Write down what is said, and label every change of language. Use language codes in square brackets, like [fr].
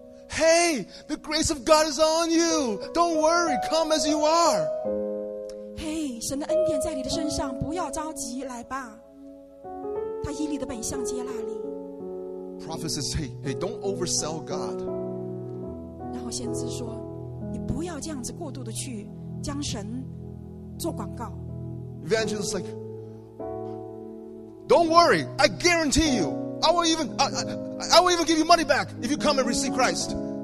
[en] Hey, the grace of God is on you. Don't worry, come as you are. [zh] Hey, 神的恩典在你的身上，不要着急，来吧。他以你的本相接纳你。 [en] Prophet says, hey, don't oversell God. [zh] 然后先知说，你不要这样子过度的去将神。 [en] Evangelist is like, don't worry, I guarantee you, I will even give you money back if you come and receive Christ.